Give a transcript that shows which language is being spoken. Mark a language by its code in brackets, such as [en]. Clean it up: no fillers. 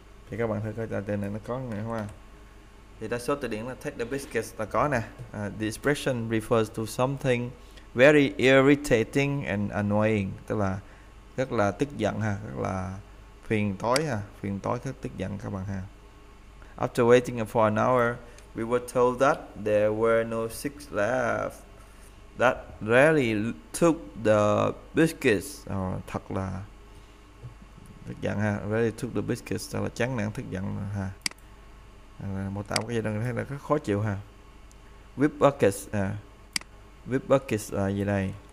[vi] Thì các bạn thấy cái từ này nó có nghĩa không? Thì đa số từ điển là take the biscuits là có nè. [en] The expression refers to something very irritating and annoying, [vi] tức là rất là tức giận ha, rất là phiền toái rất tức giận các bạn ha. [en] After waiting for an hour, we were told that there were no seats left. That really took the biscuits. [vi] Thật là thức giận ha, [en] really took the biscuits, [vi] tức là chán nản thức giận ha. Mô tả một cái gì đó thấy là rất khó chịu ha. Whip buckets, whip buckets là gì đây?